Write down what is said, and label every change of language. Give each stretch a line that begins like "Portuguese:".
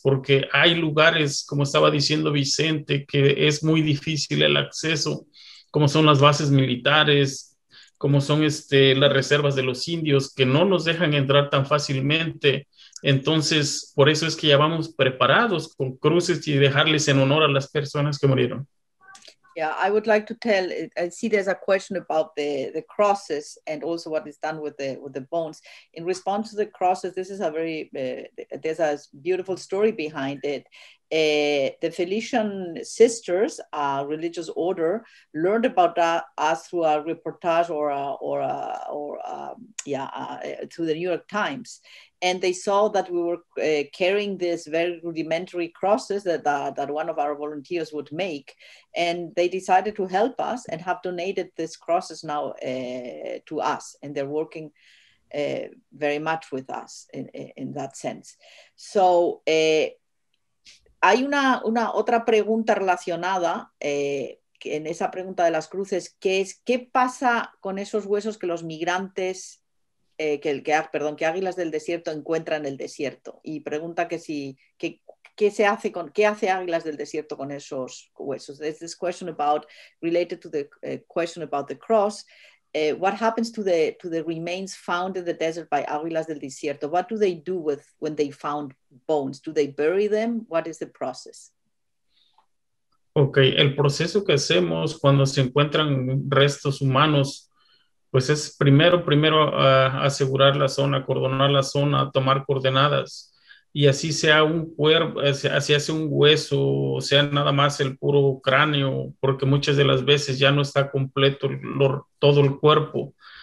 Spanish: Porque hay lugares, como estaba diciendo Vicente, que es muy difícil el acceso, como son las bases militares, como son las reservas de los indios, que no nos dejan entrar tan fácilmente. Entonces, por eso es que ya vamos preparados con cruces y dejarles en honor a las personas que murieron.
English: Yeah, I would like to tell, I see there's a question about the crosses and also what is done with the bones. In response to the crosses, this is a very, there's a beautiful story behind it. The Felician Sisters, a religious order, learned about us through a reportage through the New York Times. And they saw that we were carrying these very rudimentary crosses that one of our volunteers would make. And they decided to help us and have donated these crosses now to us. And they're working very much with us in that sense.
Spanish: So, hay una otra pregunta relacionada en esa pregunta de las cruces, que es, ¿qué pasa con esos huesos que los migrantes, que Águilas del Desierto encuentra en el desierto? Y pregunta que si, ¿qué se hace con, qué hace Águilas del Desierto con esos huesos?
English: There's this question about, related to the question about the cross, what happens to the remains found in the desert by Águilas del Desierto? What do they do with when they found bones? Do they bury them? What is the process?
Spanish: Ok, el proceso que hacemos cuando se encuentran restos humanos, pues es primero asegurar la zona, acordonar la zona, tomar coordenadas, y así sea un cuerpo, así hace un hueso, o sea nada más el puro cráneo, porque muchas de las veces ya no está completo todo el cuerpo.